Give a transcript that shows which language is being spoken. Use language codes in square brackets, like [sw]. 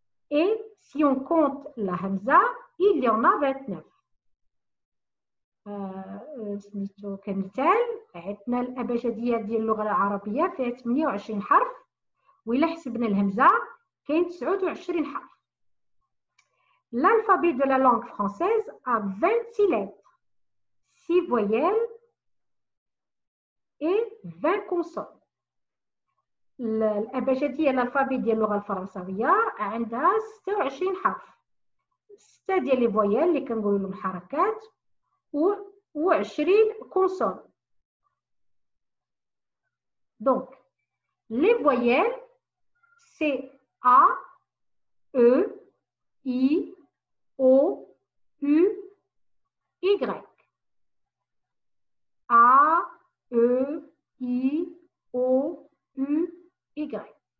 [fr] Et si on compte la hamza, il y en a 29. [ar] سميتو كمثال عندنا الابجديه ديال اللغه العربيه فيها 28 حرف وإلا حسبنا الهمزه كاين 29 حرف. [fr] L'alphabet de la langue française a 26 lettres, 6 voyelles et 20 consonnes. [ar] الأبجدية الألفابيت ديال اللغة الفرنسية عندها 26 حرف. 6 ديال لي فويال اللي كنقولو لهم حركات و 20 كونسون. دونك لي فويال سي A, E, I, O, U, Y. [fr] A, E, I, O, U, Y.